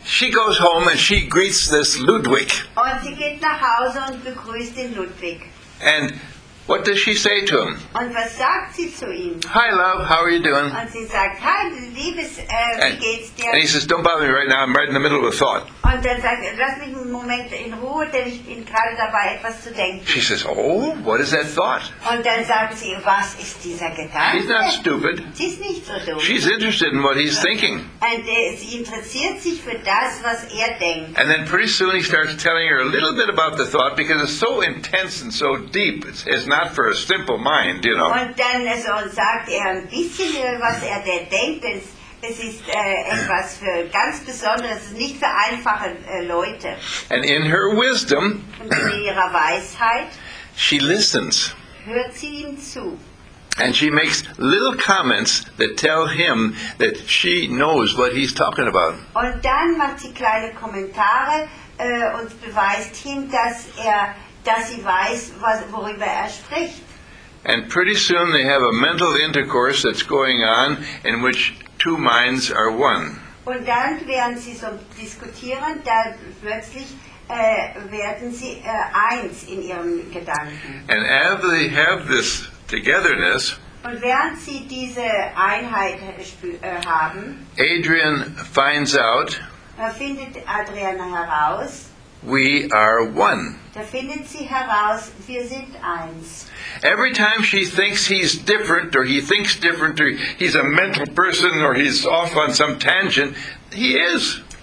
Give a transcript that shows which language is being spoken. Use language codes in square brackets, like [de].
[en] She goes home and she greets this Ludwig. [de] Und sie geht nach Hause und begrüßt den Ludwig. [en] And What does she say to him? [de] Und was sagt sie zu ihm? [en] Hi, love. How are you doing? [de] Und sie sagt, hi, liebes, wie geht's dir? [en] And he says, don't bother me right now. I'm right in the middle of a thought. [de] Und dann sagt, lass mich einen Moment in Ruhe, denn ich bin gerade dabei, etwas zu denken. [en] She says, oh, what is that thought? [de] Und dann sagt sie, was ist dieser Gedanke? [en] She's not stupid. [de] Sie ist nicht so dumm. [en] She's interested in what he's thinking. [de] Und sie interessiert sich für das, was er denkt. [en] And then pretty soon he starts telling her a little bit about the thought because it's so intense and so deep. It's not for a simple mind, you know. [de] Und dann so sagt er ein bisschen, was er denn denkt, denn es ist etwas für ganz Besonderes, nicht für einfache Leute. [en] And in her wisdom, [de] in ihrer Weisheit, [en] she listens. [de] Hört sie ihm zu. [en] And she makes little comments that tell him that she knows what he's talking about. [de] Und dann macht sie kleine Kommentare und beweist ihm, dass er dass sie weiß, was, worüber er spricht. [en] And pretty soon they have a mental intercourse that's going on in which two minds are one. [de] Und dann werden sie so diskutieren, da plötzlich werden sie eins in ihren Gedanken. [en] And as they have this togetherness, [de] und während sie diese Einheit haben, [en] Adrian finds out, [de] findet Adrian heraus, [en] we are one. [de] Da findet sie heraus, wir sind eins. [en] Every time she thinks he's different, or he thinks different, or he's a mental person, or he's off on some tangent, he is.